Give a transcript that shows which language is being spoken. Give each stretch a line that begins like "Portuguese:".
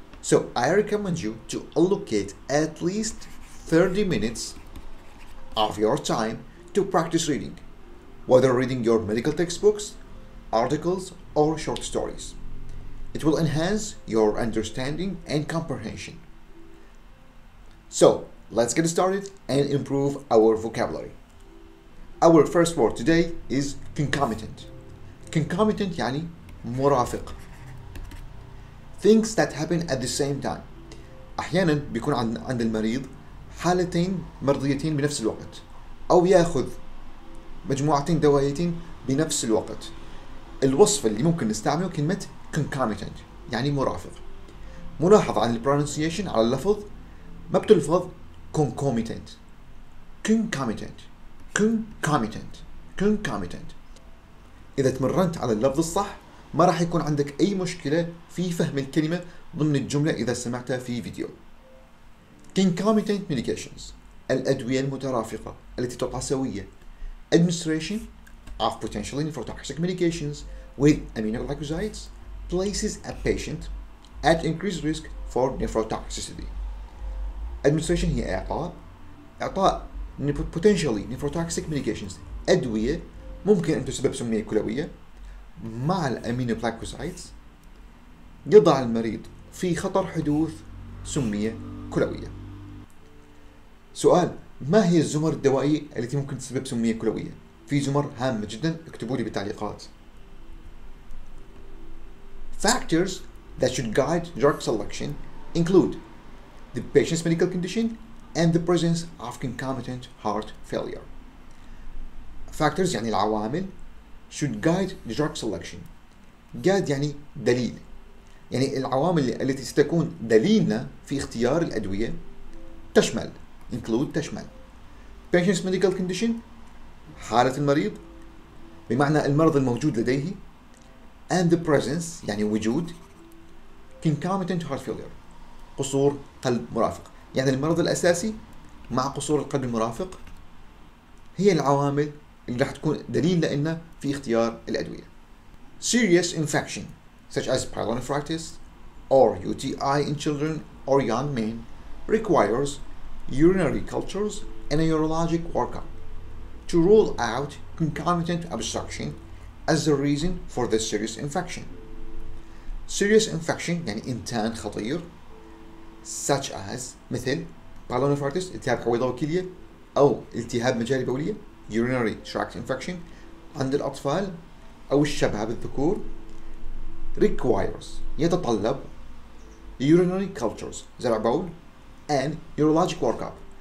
English: So I recommend you to allocate at least 30 minutes of your time to practice reading, whether reading your medical textbooks, articles, or short stories. It will enhance your understanding and comprehension. So, let's get started and improve our vocabulary. Our first word today is concomitant.
Arabic: Concomitant يعني مرافق.
English: Things that happen at the same time.
Arabic: أحيانا بيكون عند المريض حالتين مرضيتين بنفس الوقت. أو يأخذ مجموعتين دوائيتين بنفس الوقت. الوصف اللي ممكن نستعمله كلمة concomitant يعني مرافق. ملاحظ عن البرونسيشن على اللفظ ما بتلفظ concomitant.
English: Concomitant. Concomitant. Concomitant.
Arabic: إذا تمرنت على اللفظ الصح ما راح يكون عندك أي مشكلة في فهم الكلمة ضمن الجملة إذا سمعتها في فيديو.
English: Concomitant medications.
Arabic: الأدوية المترافقة التي تعطى سوية.
English: Administration of potentially nephrotoxic medications with aminoglycosides places a patient at increased risk for nephrotoxicity.
Arabic: Administration هي إعطاء. إعطاء
English: potentially nephrotoxic medications
Arabic: أدوية ممكن أن تسبب سمية كلوية مع الأمينوغلايكوسايدز يضع المريض في خطر حدوث سمية كلوية. سؤال: ما هي الزمر الدوائية التي ممكن تسبب سمية كلوية؟ في زمر هامة جدا، اكتبوا لي بالتعليقات.
English: Factors that should guide drug selection include the patient's medical condition and the presence of concomitant heart failure. Factors
Arabic: يعني العوامل
English: should guide drug selection.
Arabic: Guide يعني دليل. يعني العوامل التي ستكون دليلنا في اختيار الأدوية تشمل include تشمل
English: patient's medical condition
Arabic: حالة المريض بمعنى المرض الموجود لديه
English: and the presence
Arabic: يعني وجود
English: concomitant heart failure
Arabic: قصور قلب مرافق. يعني المرض الأساسي مع قصور القلب المرافق هي العوامل اللي راح تكون دليل لنا في اختيار الأدوية.
English: Serious infection such as pyelonephritis or UTI in children or young men requires urinary cultures and a urologic workup to rule out concomitant obstruction as the reason for the serious infection. Serious infection
Arabic: يعني إنتان خطير
English: such as
Arabic: مثل pyelonephritis التهاب حويضة وكلية أو التهاب مجاري بولية
English: urinary tract infection
Arabic: عند الأطفال أو الشباب الذكور requires يتطلب
English: urinary cultures
Arabic: زرع بول
English: and urologic workup.